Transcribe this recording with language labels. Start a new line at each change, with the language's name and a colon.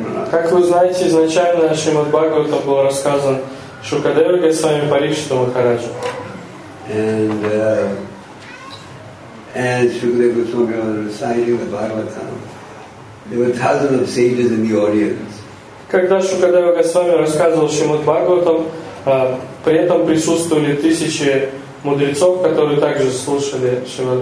Russian: Как вы знаете, изначально Шримад Бхагаватам был рассказан Шукадева Госвами Парикшита Махараджа.
English: And Shrimad Goswami was reciting the Bhagavatam. There were thousands of sages in the audience.
Russian: Когда Шукадева Госвами рассказывал Шримад Бхагаватам, при этом присутствовали тысячи мудрецов, которые также слушали Шримад